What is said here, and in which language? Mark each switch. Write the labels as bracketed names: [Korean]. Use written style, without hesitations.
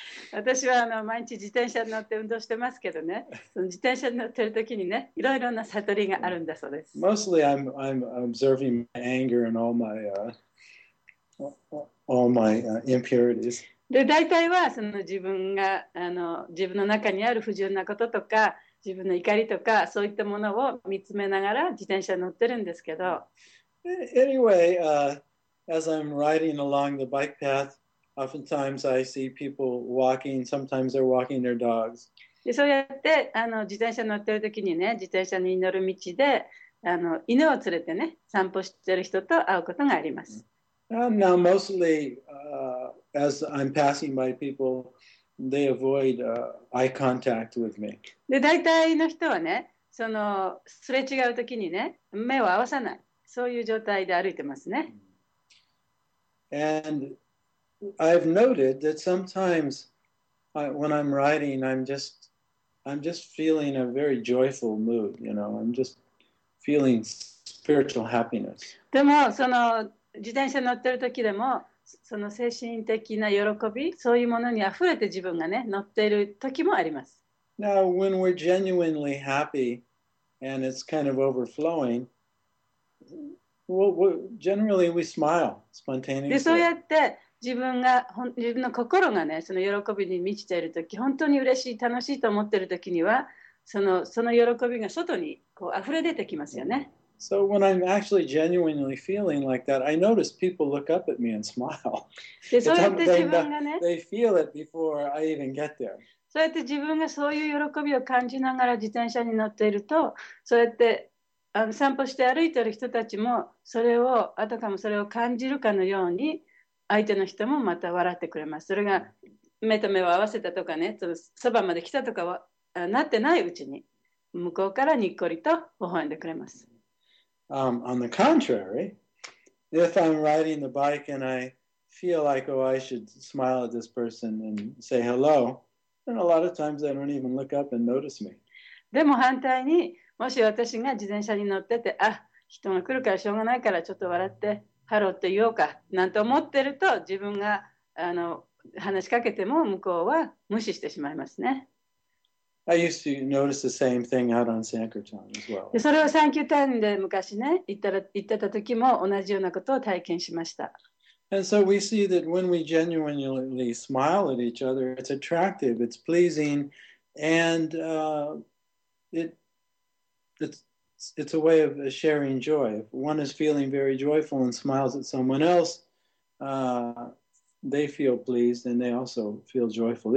[Japanese] 私は毎日自転車に乗って運動してますけどね、その自転車に乗ってる時にね、いろいろな悟りがあるんだそうです。 [English] Mostly I'm observing my anger and all my impurities. [Japanese] で、大体はその自分の中にある不純なこととか、自分の怒りとか、そういったものを見つめながら自転車に乗ってるんですけど。 [English] Anyway, as I'm riding along the bike path,Oftentimes I see people walking. Sometimes they're walking their dogs. [Japanese] で、そうやって自転車乗ってる時にね、自転車に乗る道で犬を連れてね、散歩してる人と会うことがあります。 [English] Now mostly, as I'm passing by people, they avoid eye contact with me. [Japanese] で、大体の人はね、そのすれ違う時にね、目を合わさない。そういう状態で歩いてますね。 [English] And I've noted that sometimes when I'm riding, I'm just feeling a very joyful mood, you know. I'm just feeling spiritual happiness. [Japanese] でもその自転車乗ってる時でもその精神的な喜び、そういうものに溢れて自分がね、乗ってる時もあります。 [English] Now, when we're genuinely happy and it's kind of overflowing, well, generally we smile spontaneously. [Japanese] で、そうやって自分の心がね、その喜びに満ちているとき、本当に嬉しい、楽しいと思っているときには、その喜びが外にこう溢れ出てきますよね。 [English] So when I'm actually genuinely feeling like that, I notice people look up at me and smile. [Japanese] で、そうやって自分がね、 [English] they feel it before I even get there. [Japanese] そうやって自分がそういう喜びを感じながら自転車に乗っていると、そうやって散歩して歩いている人たちも、それを、あたかもそれを感じるかのように、相手の人もまた笑ってくれます。それが目と目を合わせたとかね、そばまで来たとかはなってないうちに、向こうからにっこりと微笑んでくれます。 [English] On the contrary, if I'm riding the bike and I feel like, oh, I should smile at this person and say hello, then a lot of times they don't even look up and notice me. [Japanese] でも反対に、もし私が自転車に乗ってて、あ、人が来るからしょうがないからちょっと笑って、ハローって言おうかなんて思ってると自分が話しかけても向こうは無視してしまいますね。 [English] I used to notice the same thing out on Sankirtan as well. [Japanese] それはサンキュータウンで昔ね行ってた時も同じようなことを体験しました。 [English] And so we see that when we genuinely smile at each other, it's attractive, it's pleasing, and it's a way of sharing joy. If one is feeling very joyful and smiles at someone else, they feel pleased and they also feel joyful.